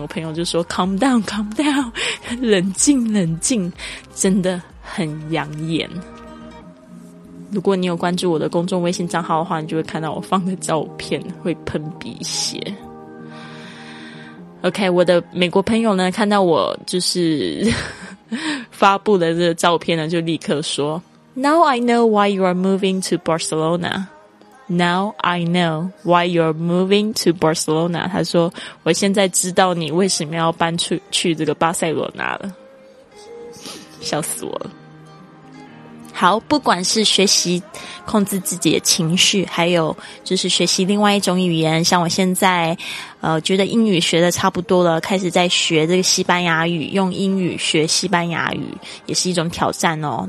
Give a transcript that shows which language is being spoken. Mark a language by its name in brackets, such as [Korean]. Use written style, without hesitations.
[Chinese] 我朋友就说 [English] calm down, [Chinese] 冷静，真的很养眼。如果你有关注我的公众微信账号的话，你就会看到我放的照片会喷鼻血。 OK, 我的美国朋友呢看到我就是发布了这个照片呢，就立刻说 [English] Now I know why you are moving to Barcelona. Now I know why you are moving to Barcelona. [Chinese] 他说我现在知道你为什么要搬去这个巴塞罗那了。笑死我了。好，不管是学习控制自己的情绪，还有就是学习另外一种语言，像我现在觉得英语学的差不多了，开始在学这个西班牙语，用英语学西班牙语也是一种挑战哦。